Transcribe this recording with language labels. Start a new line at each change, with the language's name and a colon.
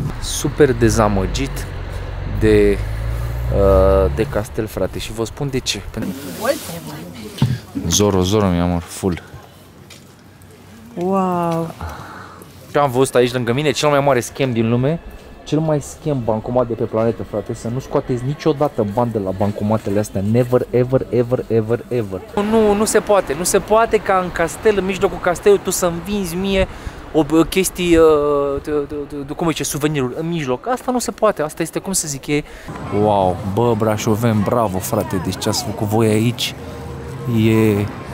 Romanian: Super dezamăgit de de castel, frate, și vă spun de ce. Zoro, mi-am amor, full. Wow. Ce am văzut aici lângă mine, cel mai mare scam din lume. Cel mai scam bancomat de pe planetă, frate, să nu scoateți niciodată bani de la bancomatele astea.
English: Never, ever, ever, ever, ever.
Romanian: Nu se poate ca în castel, în mijlocul castelului, tu să-mi vinzi mie o chestii, cum zice, suveniruri în mijloc. Asta nu se poate, asta este, cum să zic, e... Wow, bă, Brașoven, bravo, frate, deci ce ați făcut voi aici e...